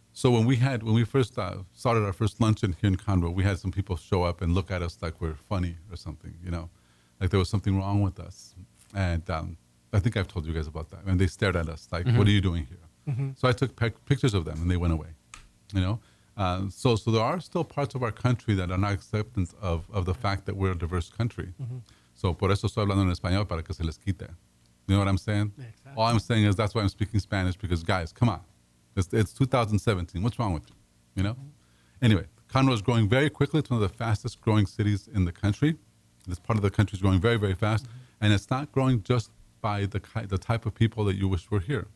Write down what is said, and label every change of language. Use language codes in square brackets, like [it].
[en] So when we first started our first luncheon here in Conroe, we had some people show up and look at us like we're funny or something, you know, like there was something wrong with us. And I think I've told you guys about that. And they stared at us like, what are you doing here? So I took pictures of them and they went away, you know. So there are still parts of our country that are not acceptant of the fact that we're a diverse country. [es] So por eso estoy hablando en español, para que se les quite. [en] You know what I'm saying? Exactly. All I'm saying is that's why I'm speaking Spanish, because guys, come on. It's 2017. What's wrong with you? you know? Anyway, Conroe is growing very quickly. It's one of the fastest growing cities in the country. This part of the country is growing very, very fast. Mm-hmm. And it's not growing just by the type of people that you wish were here.